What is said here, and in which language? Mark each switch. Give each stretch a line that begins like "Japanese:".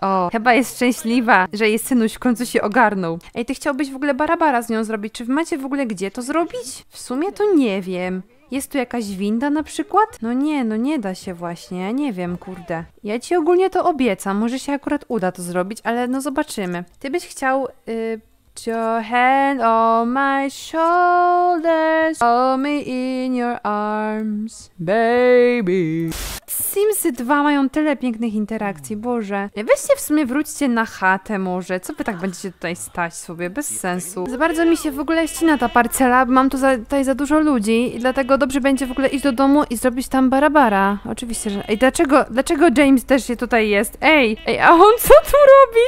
Polish: O, chyba jest szczęśliwa, że jej synuś w końcu się ogarnął. Ej, ty chciałbyś w ogóle barabara z nią zrobić? Czy wy macie w ogóle gdzie to zrobić? W sumie to nie wiem. Jest tu jakaś winda na przykład? No nie, no nie da się właśnie, ja nie wiem, kurde. Ja ci ogólnie to obiecam, może się akurat uda to zrobić, ale no zobaczymy. Ty byś chciał...
English: Put your hand on my shoulders, hold me in your arms, baby.
Polish: Simsy 2 mają tyle pięknych interakcji, Boże. Weźcie w sumie wróćcie na chatę może, co wy tak będziecie tutaj stać sobie, bez sensu. Za bardzo mi się w ogóle ścina ta parcela, bo mam tu tutaj za dużo ludzi i dlatego dobrze będzie w ogóle iść do domu i zrobić tam barabara. Oczywiście, że... Ej, dlaczego James też się tutaj jest? Ej, ej, a on co tu robi?